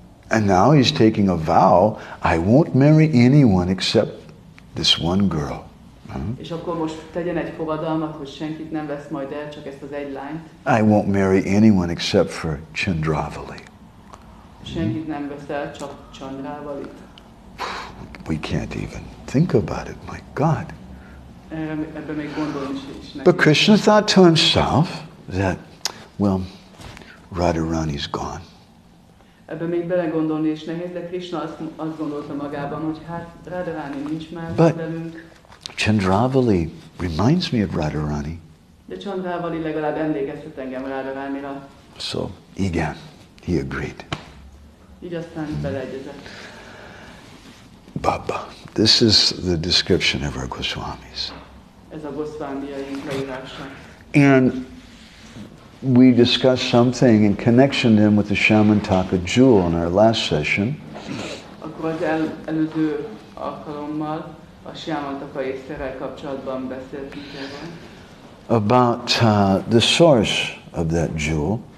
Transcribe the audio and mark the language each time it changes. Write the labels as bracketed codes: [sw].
[en] And now he's taking a vow, I won't marry anyone except this one girl. [hu] És akkor most tegyen egy fogadalmat, hogy senkit nem vesz majd el, csak ezt az egy lányt. [en] I won't marry anyone except for Chandravali. [hu] Senkit nem vesz el, csak Chandravalit. [en] We can't even think about it, my God. [hu] Ebben még gondolni is. [en] But Krishna thought to himself that, well, Radharani's gone. [hu] Ebben még belegondolni is nehéz, de Krishna azt gondolta magában, hogy hát Radharani nincs már velünk. [en] Chandravali reminds me of Radharani. [hu] De Chandravali legalább emlékeztet engem Radharanira. [en] So, igen, he agreed. [hu] Így aztán beleegyezett. Baba. [en] This is the description of our Goswamis. [hu] Ez a Goswamiaink leírása. [en] And we discussed something in connection then with the Shaman Taka jewel in our last session. [hu] Akkor az előző alkalommal a Shaman Taka ésszerrel kapcsolatban beszéltünk erről. [en] About the source of that jewel.